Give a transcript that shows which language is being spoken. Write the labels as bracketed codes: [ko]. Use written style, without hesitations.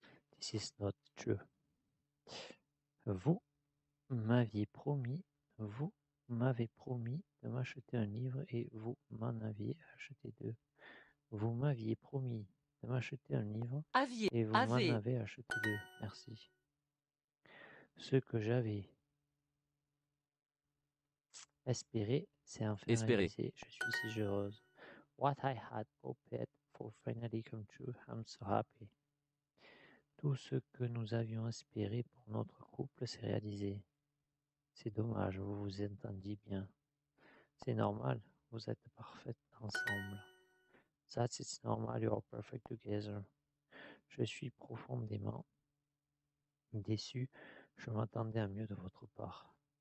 [en] This is not true. [fr] Vous m'avez promis de m'acheter un livre et vous m'en aviez acheté deux. Vous m'aviez promis de m'acheter un livre et vous m'en avez acheté deux. Merci. Ce que j'avais espéré, c'est en fait réalisé. Je suis si heureuse. [en] What I had hoped for finally come true, I'm so happy. [fr] Tout ce que nous avions espéré pour notre couple s'est réalisé. C'est dommage, vous vous entendiez bien. C'est normal, vous êtes parfaites ensemble. [en] That's it's normal, you're perfect together. [fr] Je suis profondément déçu, je m'attendais à mieux de votre part.